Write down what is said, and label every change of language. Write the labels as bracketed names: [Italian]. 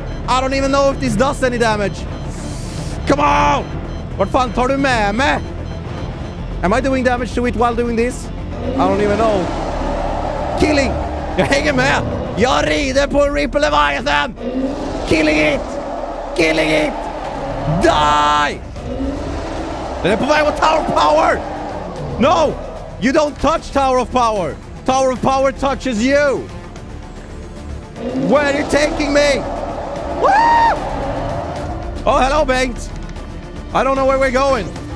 [English] I don't even know if this does any damage. Come on! [Swedish] Vad fan tar du med mig? [English] Am I doing damage to it while doing this? I don't even know. [Swedish] Killing! Jag hänger med! Jag rider på Ripple Leviathan! [English] Killing it! Killing it! Die! [Swedish] Den är på väg mot Tower of Power! [English] No! You don't touch Tower of Power! Tower of Power touches you! Where are you taking me? Oh, hello, Bengt! I don't know where we're going!